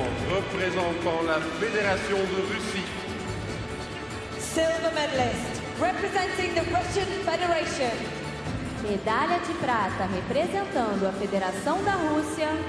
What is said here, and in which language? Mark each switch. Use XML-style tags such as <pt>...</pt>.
<fr>Représentant la Fédération de Russie.</fr> <en>Silver medalist representing the Russian Federation.</en> <pt>Medalha de prata representando a Federação da Rússia.</pt>